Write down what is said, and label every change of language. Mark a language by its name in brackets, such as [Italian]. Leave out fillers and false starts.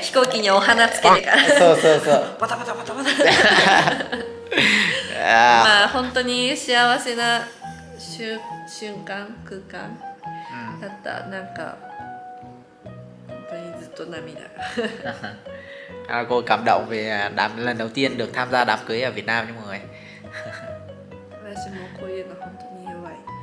[Japanese] 飛行機にお花つけてから。そうそうそう。バタバタバタバタ。まあ本当に幸せな瞬間空間だった。なんか本当にずっと涙が。 [Vietnamese] あ、cô cảm động về đám lần đầu tiên được tham gia đám cưới ở Việt Nam nha mọi người. [Japanese] 私もこういうの本当に弱い。